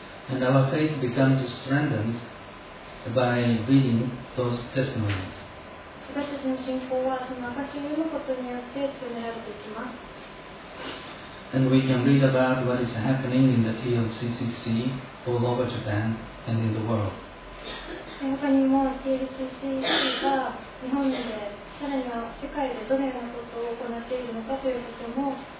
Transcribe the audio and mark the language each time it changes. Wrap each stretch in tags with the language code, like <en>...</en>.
<en>And our faith becomes strengthened by reading those testimonies.</en> <ja>私たちの信仰はその証を読むことによって強められていきます。</ja> <en>And we can read about what is happening in the TLCCC all over Japan and in the world.</en> <ja>他にも TLCC が日本でさらには世界でどのようなことを行っているのかということも。</ja>